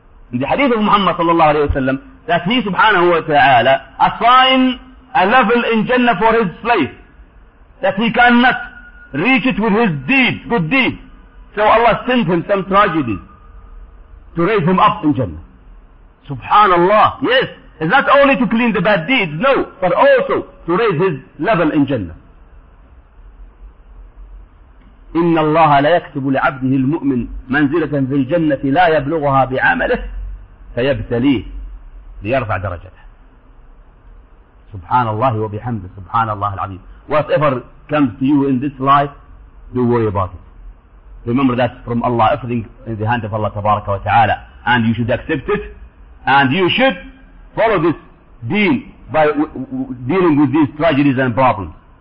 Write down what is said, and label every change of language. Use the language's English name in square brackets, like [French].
[English] In the hadith of Muhammad sallallahu alayhi wa sallam, that he subhanahu wa ta'ala assigned a level in Jannah for his slave, that he cannot reach it with his deeds, good deeds. So Allah sent him some tragedy to raise him up in Jannah. Subhanallah, yes, it's not only to clean the bad deeds, no, but also to raise his level in Jannah. [Arabic] إن الله لا يكتب لعبده المؤمن منزلة في الجنة لا يبلغها بعمله فيبتليه ليرفع درجته. سبحان الله وبحمده سبحان الله العظيم. [English] Whatever comes to you in this life, don't worry about it. Remember that from Allah, everything in the hand of Allah تبارك وتعالى, and you should accept it, and you should follow this deen by dealing with these tragedies and problems.